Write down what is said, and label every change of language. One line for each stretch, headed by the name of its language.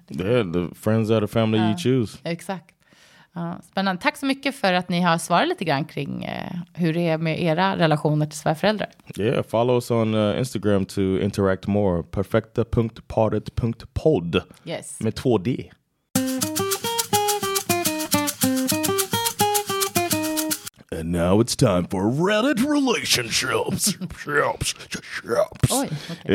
English: The friends are the family you choose.
Swedish: Exakt. Spännande. Tack så mycket för att ni har svarat lite grann kring hur det är med era relationer till svärföräldrar.
English: Yeah, follow us on Instagram to interact more.
Swedish: Perfekta.paret.pod.
English: Yes.
Swedish: Med 2D.
English: And now it's time for Reddit relationships.
Swedish: Oj, okay.